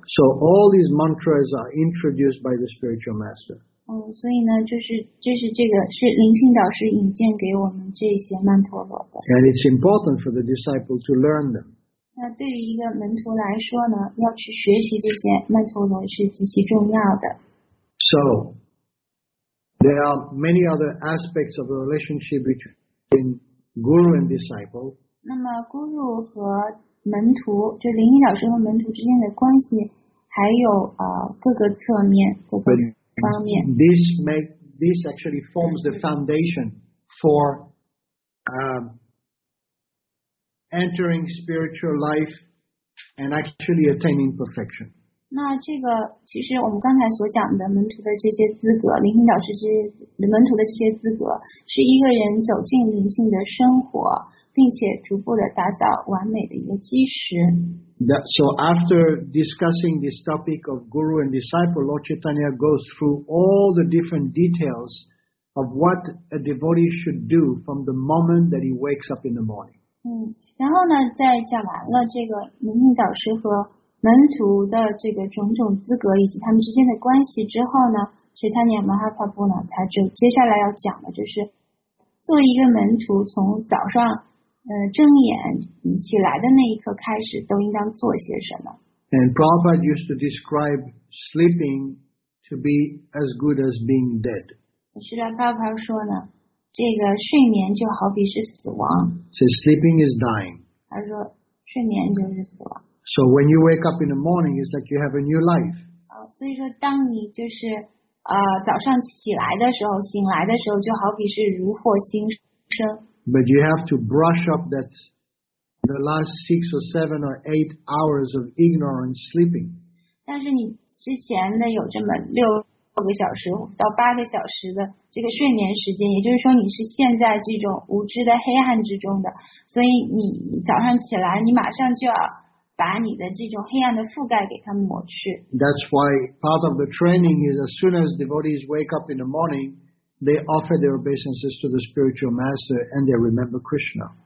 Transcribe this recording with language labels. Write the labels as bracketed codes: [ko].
[en] So all these mantras are introduced by the spiritual master。 [zh] 所以呢，就是这个是灵性导师引荐给我们这些曼陀罗的。 [en] And it's important for the disciple to learn them。 [zh] 那对于一个门徒来说呢，要去学习这些曼陀罗是极其重要的。 [en] So。 There are many other aspects of the relationship between guru and disciple. [zh] 那么 guru 和门徒，就灵性导师和门徒之间的关系，还有各个侧面、各个方面。 [en] This actually forms the foundation for entering spiritual life and actually attaining perfection. [zh] 那这个其实我们刚才所讲的门徒的这些资格，灵性导师这些门徒的这些资格，是一个人走进灵性的生活，并且逐步的达到完美的一个基石。 [en] So after discussing this topic of guru and disciple, Lord Chaitanya goes through all the different details of what a devotee should do from the moment that he wakes up in the morning. [zh] 然后呢，在讲完了这个灵性导师和门徒的这个种种资格以及他们之间的关系之后呢，释迦牟尼摩诃萨婆呢，他就接下来要讲的就是，做一个门徒从早上睁眼起来的那一刻开始，都应当做些什么。 [en] And Prabhupada used to describe sleeping to be as good as being dead. [zh] 释迦牟尼摩诃萨婆说呢，这个睡眠就好比是死亡。 [en] So sleeping is dying. [zh] 他说睡眠就是死亡。 [en] So when you wake up in the morning, it's like you have a new life. [zh] 所以说当你就是早上起来的时候，醒来的时候，就好比是如获新生。 [en] But you have to brush up that the last 6 or 7 or 8 hours of ignorant sleeping. [zh] 但是你之前的有这么6个小时到8个小时的这个睡眠时间，也就是说你是陷在这种无知的黑暗之中的，所以你早上起来，你马上就要把你的这种黑暗的覆盖给它抹去。 [en] That's why part of the training is as soon as devotees wake up in the morning, they offer their obeisances to the spiritual master and they remember Krishna.